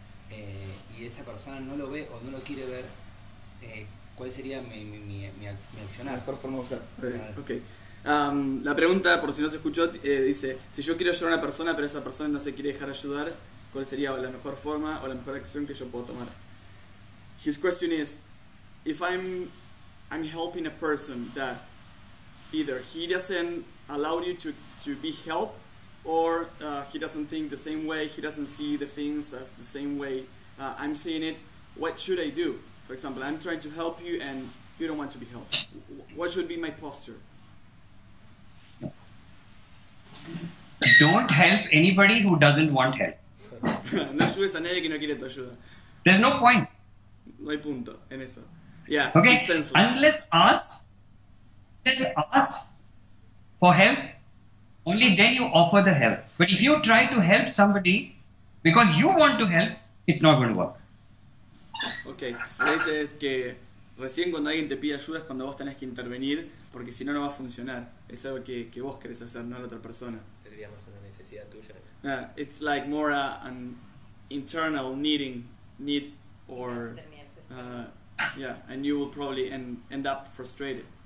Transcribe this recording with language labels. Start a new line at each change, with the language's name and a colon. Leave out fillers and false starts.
Spanish: Y esa persona no lo ve o no lo quiere ver, ¿cuál sería mi accionar? Mejor forma de usar. Okay. La pregunta, por si no se escuchó, dice, si yo quiero ayudar a una persona pero esa persona no se quiere dejar ayudar, ¿cuál sería la mejor forma o la mejor acción que yo puedo tomar?
English: His question is, if I'm helping a person that either he doesn't allow you to be helped, or he doesn't think the same way, he doesn't see the things as the same way I'm seeing it, what should I do? For example, I'm trying to help you and you don't want to be helped. What should be my posture? Don't help anybody who doesn't want help.
Spanish: No ayudes a nadie que no quiere tu ayuda.
English: There's no point.
Spanish: No hay punto en eso. Yeah,
English: okay. It's senseless. Unless asked for help, only then you offer the help. But if you try to help somebody because you want to help, it's not going to work. Okay.
Spanish: So lo que dice es que recién cuando alguien te pide ayuda es cuando vos tenés que intervenir, porque si no, no va a funcionar. Es algo que vos querés hacer, no la otra persona. Sería más una necesidad tuya.
English: It's like more an internal need or yeah, and you will probably end up frustrated.